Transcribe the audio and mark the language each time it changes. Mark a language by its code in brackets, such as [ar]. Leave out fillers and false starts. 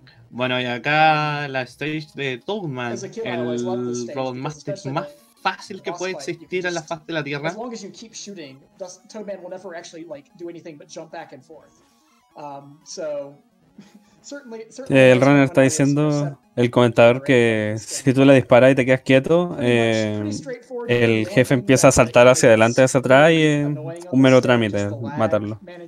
[es] Bueno, y acá la stage de Toadman, el robot master más fácil que puede existir en la faz de la Tierra. [en] As long as you keep shooting, Toadman will never actually like do anything but jump back and forth. So. [es] El runner está diciendo, el comentador, que si tú le disparas y te quedas quieto, el jefe empieza a saltar hacia adelante, hacia atrás, y un mero trámite matarlo.